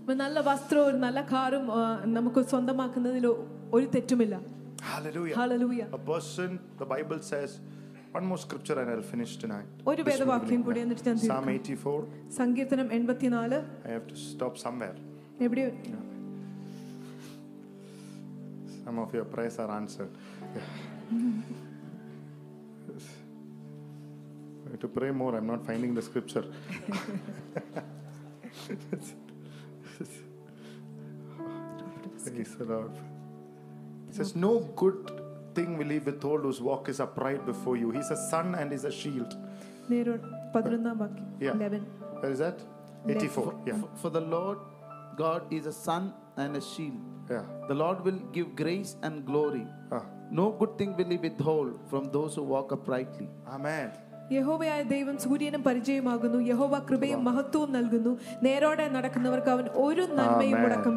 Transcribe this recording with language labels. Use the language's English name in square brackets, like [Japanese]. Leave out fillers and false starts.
[Malayalam] ഒരു നല്ല വസ്ത്രവും നല്ല കാറും നമുക്ക് സ്വന്തമാക്കുന്നതിലോ ഒരു തെറ്റുമില്ല. [English] Hallelujah. Hallelujah. A person, the Bible says, one more scripture and I'll finish tonight. [Malayalam] ഒരു വേദവാക്യം കൂടി എന്നിട്ട് ഞാൻ തീർക്കും. [English] Psalm 84. [Malayalam] സങ്കീർത്തനം 84. [English] I have to stop somewhere. [Malayalam] എവിടെ? [English] Some of your prayers are answered. Yeah. I need to pray more. I'm not finding the scripture. Praise the Lord. It says no good thing will he withhold whose walk is upright before you. He's a sun and is a shield. Where is that? 84. Yeah. For the Lord God is a sun and a shield. Yeah. The Lord will give grace and glory. No good thing will he withhold from those who walk uprightly. Amen. [Malayalam] യഹോവയായ ദൈവം സൂര്യനും പരിചയമാകുന്നു. യഹോവ കൃപയും മഹത്വവും നൽകുന്നു. നേരോടെ നടക്കുന്നവർക്ക് അവൻ ഒരു നന്മയും മുടക്കം